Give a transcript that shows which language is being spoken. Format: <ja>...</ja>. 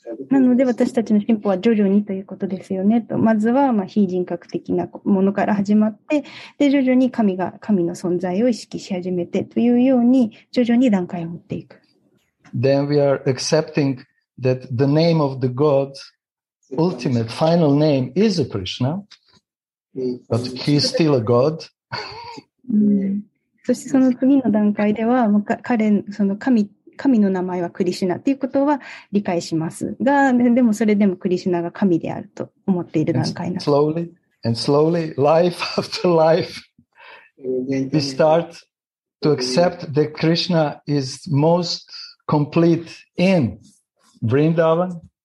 <ja>なので私たちの進歩は徐々にということですよね、と。まずはまあ非人格的なものから始まって、で徐々に神が神の存在を意識し始めてというように徐々に段階を持っていく。</ja> <en>Then we are accepting that the name of the God, ultimate final name is a Krishna, but he is still a God.</en> <ja>そしてその次の段階では彼その神神の名前はクリシュナということは理解しますが、でもそれでもクリシュナが神であると思っている段階なんです。</ja> <en>Slowly and slowly, life after life, we start to accept that Krishna is most complete in Vrindavan.</en>